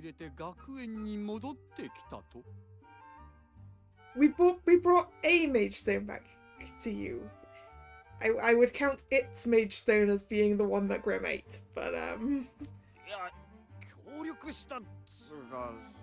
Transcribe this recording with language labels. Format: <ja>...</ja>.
<ja>炭鉱に住み着いた謎のモンスター。それを4人で協力して倒し、魔法石を手に入れて学園に戻ってきたと。</ja> <en>We brought a mage stone back to you. I would count its mage stone as being the one that Grim ate, but</en> <ja>いや、協力したっつうか。</ja>